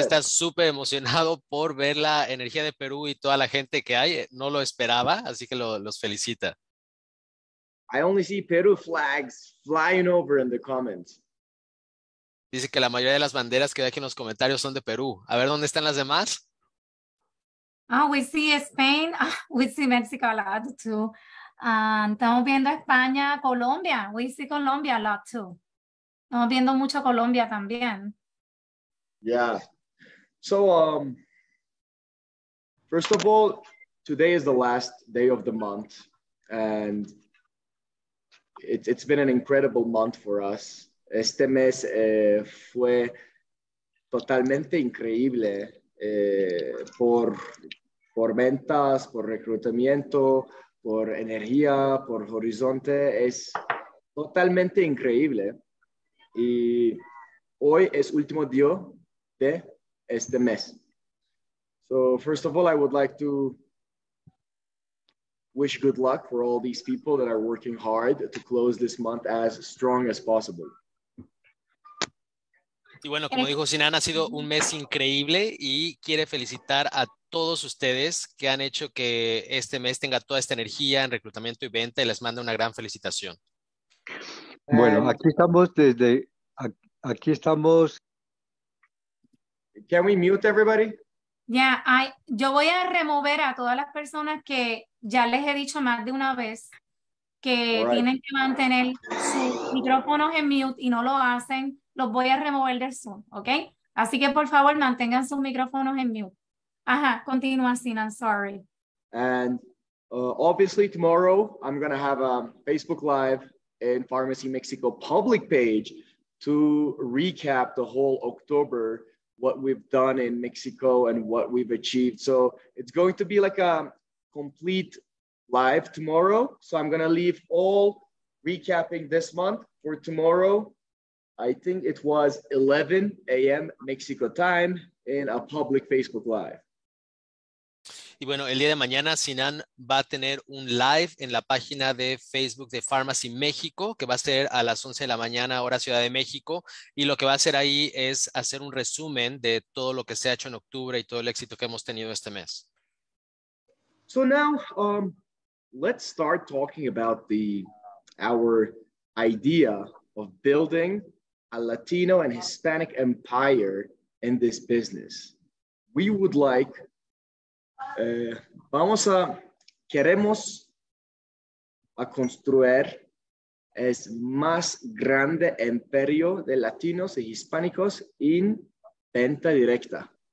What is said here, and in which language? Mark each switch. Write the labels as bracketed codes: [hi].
[es] Que está súper emocionado por ver la energía de Perú y toda la gente que hay. No lo esperaba, así que los felicita. [en] I only see Peru flags flying over in the comments. [es] Dice que la mayoría de las banderas que ve aquí en los comentarios son de Perú. A ver, ¿dónde están las demás? [en] Ah, oh, we see Spain. Oh, we see Mexico a lot too. [es] Estamos viendo España, Colombia. [en] We see Colombia a lot too. [es] Estamos viendo mucho Colombia también. [en] Yeah. So, first of all, today is the last day of the month. And it's been an incredible month for us. [es] Este mes fue totalmente increíble por ventas, por reclutamiento, por energía, por horizonte. Es totalmente increíble. Y hoy es último día de este mes. [en] So first of all, I would like to wish good luck for all these people that are working hard to close this month as strong as possible. [es] Y bueno, como dijo Sinan, ha sido un mes increíble y quiere felicitar a todos ustedes que han hecho que este mes tenga toda esta energía en reclutamiento y venta y les manda una gran felicitación. Bueno, aquí estamos. [en] Can we mute everybody? [es] Yo voy a remover a todas las personas que ya les he dicho más de una vez que tienen que mantener sus micrófonos en mute y no lo hacen. Los voy a remover del Zoom, ¿ok? Así que por favor mantengan sus micrófonos en mute. Ajá, continúa Sinan, sorry. [en] And obviously tomorrow I'm going to have a Facebook Live in Pharmacy Mexico public page to recap the whole October, what we've done in Mexico and what we've achieved. So it's going to be like a complete live tomorrow. So I'm going to leave all recapping this month for tomorrow. I think it was 11 a.m. Mexico time in a public Facebook Live. [es] Y bueno, el día de mañana Sinan va a tener un live en la página de Facebook de Pharmacy México, que va a ser a las 11 de la mañana, hora Ciudad de México. Y lo que va a hacer ahí es hacer un resumen de todo lo que se ha hecho en octubre y todo el éxito que hemos tenido este mes. [en] So now, let's start talking about our idea of building a Latino and Hispanic empire in this business. We would like, [es] vamos a, queremos a construir el más grande imperio de latinos y hispánicos en venta directa.